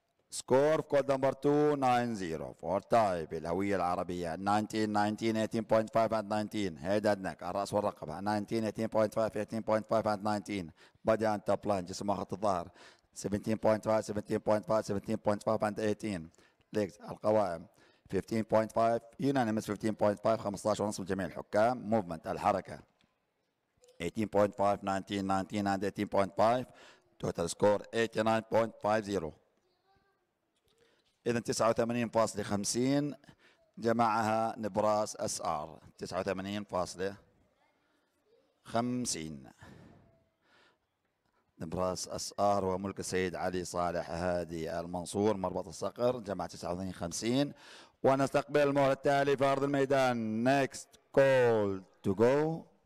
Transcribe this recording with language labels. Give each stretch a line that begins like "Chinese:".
English: Score of code number 290 for type
Arabic: الهوية العربية
English: 19 18.5 at 19 head and neck
Arabic: الرأس والرقبة
English: 19 18.5 18.5 at 19 body and top line
Arabic: جسم وخط الظهر
English: 17.5 17.5 17.5 and 18 legs القوائم 15.5 unanimous 15.5 15.5
Arabic: جميع الحكام
English: movement الحركة 18.5 19 19 and 18.5 total score 89.50.
Arabic: إذن 89.50 جمعها نبراس أس آر 89.50 نبراس أس آر وملك السيد علي صالح هادي المنصور مربط الصقر جمع 89.50. ونستقبل المهر التالي في أرض الميدان
English: next call to go